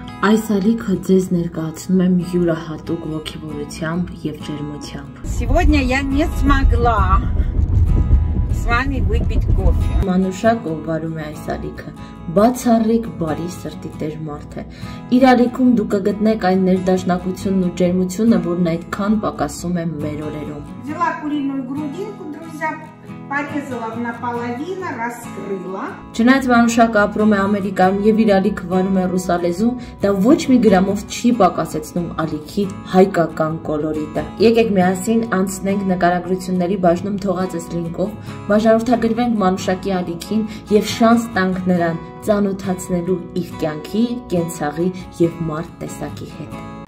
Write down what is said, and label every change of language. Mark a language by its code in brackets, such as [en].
[hy] Այս ալիքը ձեզ ներկայացնում եմ յուրահատուկ ոգևորությամբ և ջերմությամբ։ [ru] Сегодня я не смогла с вами выпить кофе. [hy] Մանուշակը ուղարում է այս ալիքը, բացառիկ բարի սրտի տեր մարդ է։ Իր ալիքում դու կգտնեք այն ներդաշնակությունն ու ջերմությունը, որն այդքան պակասում է մեր օրերում։ [ru] Взяла куриную грудинку, друзья. Порезала наполовину, раскрыла. [hy] Չնայած Մանուշակը ապրում է Ամերիկայում եւ իր ալիքը վարում է ռուսալեզու, դա ոչ մի գրամով չի պակասեցնում ալիքի հայկական կոլորիտը։ Եկեք միասին անցնենք նկարագրությունների բաժնում թողած այս լինկով, բաժանորդագրվենք Մանուշակի ալիքին եւ շանս տանք նրան ծանոթացնելու իր կյանքի, կենցաղի եւ մարդ տեսակի հետ։